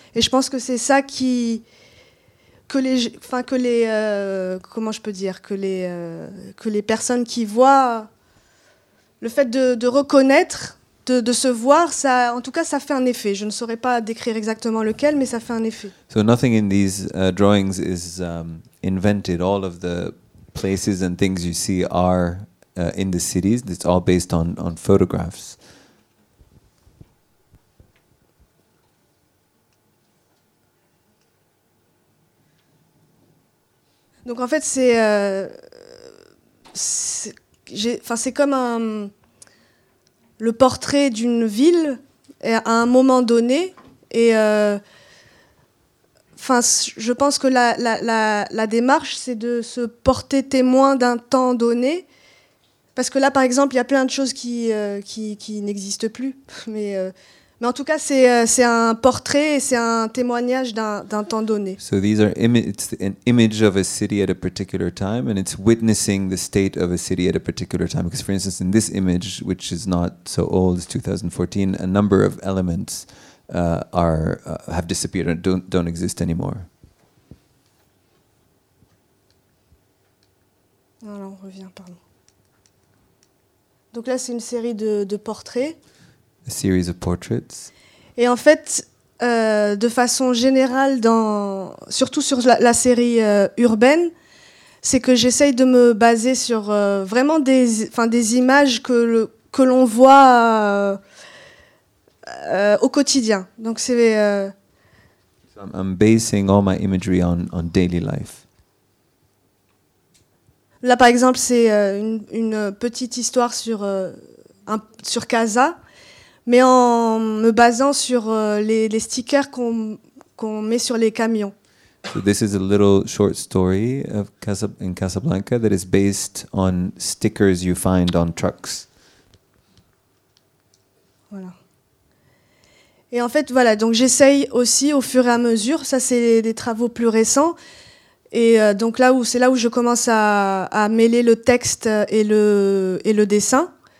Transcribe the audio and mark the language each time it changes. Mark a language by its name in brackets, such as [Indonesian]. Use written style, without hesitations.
[French] Et je pense que c'est ça qui... que les personnes qui voient, le fait de reconnaître, de se voir, ça, en tout cas, ça fait un effet. Je ne saurais pas décrire exactement lequel, mais ça fait un effet. [English] So nothing in these drawings is invented. All of the places and things you see are in the cities. It's all based on photographs. [French] Donc en fait c'est comme le portrait d'une ville à un moment donné, et je pense que la démarche, c'est de se porter témoin d'un temps donné, parce que là par exemple il y a plein de choses qui n'existent plus, mais Mais en tout cas, c'est un portrait et c'est un témoignage d'un temps donné. [English] So these are it's an image of a city at a particular time, and it's witnessing the state of a city at a particular time. Because, for instance, in this image, which is not so old, it's 2014, a number of elements have disappeared and don't exist anymore. [French] Non, on revient, pardon. Donc là, c'est une série de portraits. [English] A series of portraits. [French] Et en fait, de façon générale, surtout sur la série urbaine, c'est que j'essaye de me baser sur vraiment des images que l'on voit au quotidien. Donc c'est. [English] So I'm basing all my imagery on daily life. [French] Là, par exemple, c'est une petite histoire sur Casa. Mais en me basant sur les stickers qu'on met sur les camions. [English] So this is a little short story of in Casablanca that is based on stickers you find on trucks. [French] Voilà. Et en fait, voilà, donc j'essaye aussi au fur et à mesure, ça c'est des travaux plus récents, et donc c'est là où je commence à mêler le texte et le dessin.